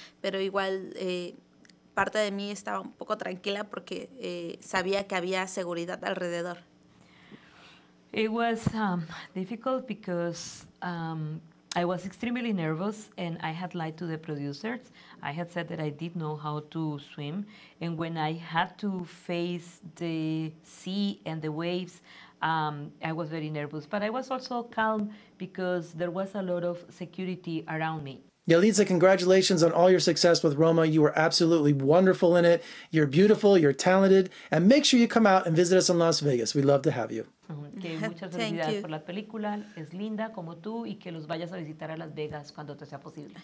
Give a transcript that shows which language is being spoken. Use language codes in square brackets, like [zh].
[es] Pero igual parte de mí estaba un poco tranquila porque sabía que había seguridad alrededor. [en] It was difficult because I was extremely nervous, and I had lied to the producers. I had said that I did know how to swim, and when I had to face the sea and the waves, I was very nervous. But I was also calm because there was a lot of security around me. Yalitza, congratulations on all your success with Roma. You were absolutely wonderful in it. You're beautiful, you're talented, and make sure you come out and visit us in Las Vegas. We'd love to have you. [es] Que muchas felicidades por la película. Es linda como tú y que los vayas a visitar a Las Vegas cuando te sea posible.